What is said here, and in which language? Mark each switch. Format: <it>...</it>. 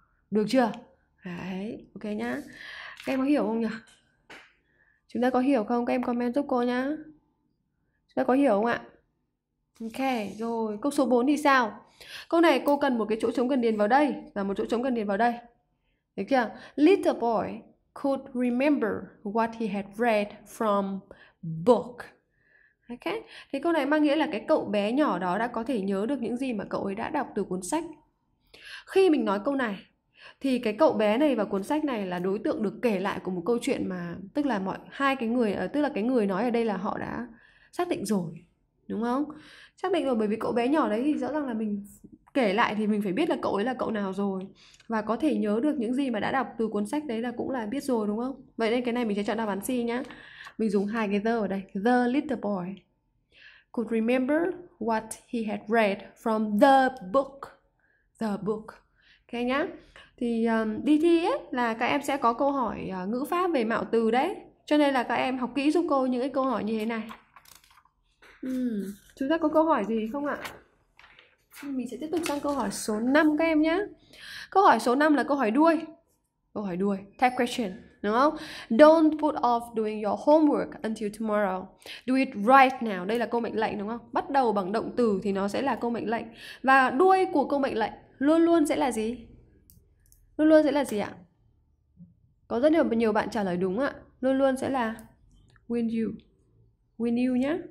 <vi>Được chưa? Đấy, ok nhá. Các em có hiểu không nhỉ? Chúng ta có hiểu không? Các em comment giúp cô nhá. Chúng ta có hiểu không ạ? Ok, rồi. Câu số 4 thì sao? Câu này cô cần một cái chỗ trống cần điền vào đây và một chỗ trống cần điền vào đây. Được chưa?</vi> <en>Little boy could remember what he had read from book. Ok.</en> <vi>Thì câu này mang nghĩa là cái cậu bé nhỏ đó đã có thể nhớ được những gì mà cậu ấy đã đọc từ cuốn sách. Khi mình nói câu này thì cái cậu bé này và cuốn sách này là đối tượng được kể lại của một câu chuyện mà tức là mọi hai cái người tức là cái người nói ở đây là họ đã xác định rồi. Đúng không? Xác định rồi bởi vì cậu bé nhỏ đấy thì rõ ràng là mình kể lại thì mình phải biết là cậu ấy là cậu nào rồi và có thể nhớ được những gì mà đã đọc từ cuốn sách đấy là cũng là biết rồi đúng không? Vậy nên cái này mình sẽ chọn đáp án C nhá. Mình dùng hai cái the ở đây.</vi> <en>The little boy could remember what he had read from the book. The book.</en> <vi>Ok nhá. Thì đi thi ấy, là các em sẽ có câu hỏi ngữ pháp về mạo từ đấy. Cho nên là các em học kỹ giúp cô những cái câu hỏi như thế này. Chúng ta có câu hỏi gì không ạ? Mình sẽ tiếp tục sang câu hỏi số 5 các em nhé. Câu hỏi số 5 là câu hỏi đuôi. Câu hỏi đuôi, tag question, đúng không?</vi> <en>Don't put off doing your homework until tomorrow. Do it right now.</en> <vi>Đây là câu mệnh lệnh đúng không? Bắt đầu bằng động từ thì nó sẽ là câu mệnh lệnh. Và đuôi của câu mệnh lệnh luôn luôn sẽ là gì? Luôn luôn sẽ là gì ạ? Có rất nhiều bạn trả lời đúng ạ. Luôn luôn sẽ là</vi> <en>when you. When you</en> <vi>nhé.</vi>